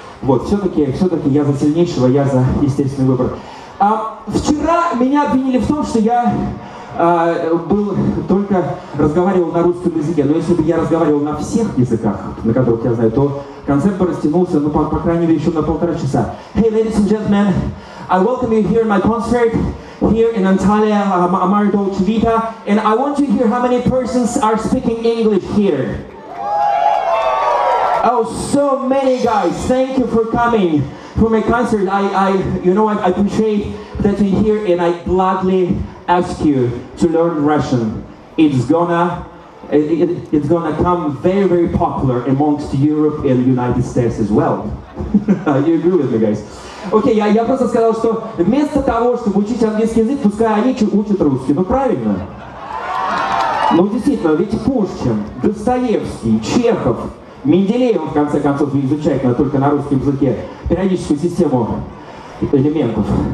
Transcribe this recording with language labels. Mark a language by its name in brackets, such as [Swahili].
[Russian] Вот, все-таки я за сильнейшего, я за естественный выбор. А вчера меня обвинили в том, что я был только разговаривал на русском языке. Но если бы я разговаривал на всех языках, на которых я знаю, то концерт бы растянулся, ну, по крайней мере, еще на полтора часа. [English] Hey, ladies and gentlemen, I welcome you here in my concert, here in Antalya, Amar Dolce Vita, and I want to hear how many persons are speaking English here. Oh, so many guys, thank you for coming for my concert. I you know, I appreciate that you're here, and I gladly ask you to learn Russian. It's gonna come very, very popular amongst Europe and United States as well. You agree with me, guys? [Russian] Окей, я просто сказал, что вместо того, чтобы учить английский язык, пускай они учат русский. Ну, правильно? Ну, действительно, ведь Пушкин, Достоевский, Чехов, Менделеев, в конце концов, изучает но только на русском языке периодическую систему элементов.